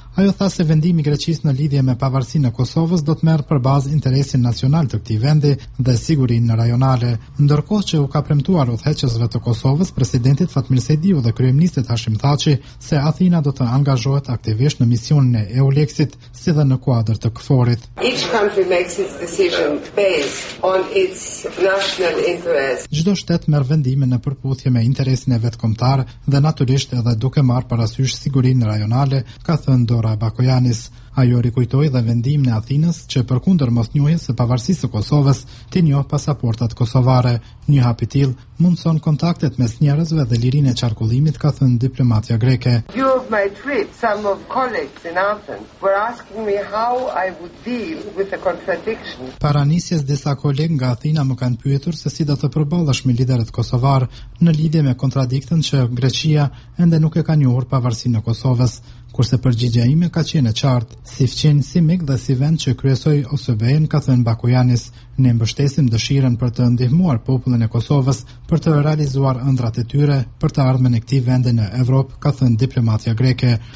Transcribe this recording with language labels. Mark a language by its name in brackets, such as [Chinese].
[Albanian] Ajo tha se vendimi i Greqisë në lidhje me pavarësinë e Kosovës do të merr për bazë interesin nacional të këtij vendi dhe sigurinë rajonale. Ndërkohë që u ka premtuar udhëheqësve të Kosovës, presidentit Fatmir Sejdiu dhe kryeministit Hashim Thaçi, se Athina do të angazhohet aktivisht në misionin e EULEX-it, si dhe në kuadër të KFOR-it. [English] Each country makes its decision based on its national interest. [Albanian] Çdo shtet merr vendimin në përputhje me interesin e vet kombëtar dhe natyrisht edhe duke marr parasysh sigurinë rajonale, ka thënë Dora Bakujanis. Ajo rikujtoi dhe vendimin e Athinës që përkundër mosnjohjes së pavarësisë së Kosovës, t'i njoh pasaportat kosovare. Një hap i tillë mundson kontaktet mes njerëzve dhe lirinë e qarkullimit, ka thënë diplomatja greke. [English] You of my trip, some of colleagues in Athens were asking me how I would deal with the contradiction. [Albanian] Para nisjes disa koleg nga Athina më kanë pyetur se si do të përballesh me liderët kosovar në lidhje me kontradiktën që Greqia ende nuk e ka njohur pavarësinë e Kosovës. Kurse përgjigja ime ka qenë e qartë, si fqinë, si mik dhe si vend që kryesoj OSBE-n, ka thënë Bakujanis, ne mbështesim dëshiren për të ndihmuar popullin e Kosovës, për të realizuar ëndrat e tyre, për të ardhmen e këtij vendi në Evropë, ka thënë diplomatja greke.